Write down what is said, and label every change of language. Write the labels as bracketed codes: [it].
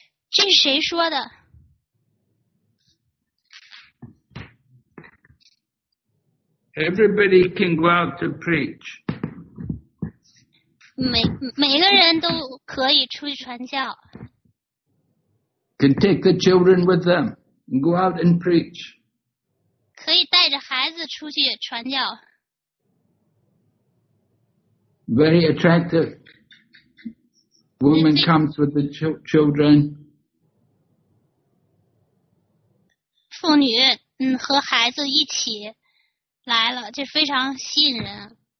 [zh] 这是谁说的？ [en] Everybody can go out to preach. [zh] 每个人都可以出去传教。 [en] Can take the children with them and go out and preach. [zh] 可以带着孩子出去传教。 [en] Very attractive. Woman comes with the children. [zh] 妇女和孩子一起。来了，这非常吸引人。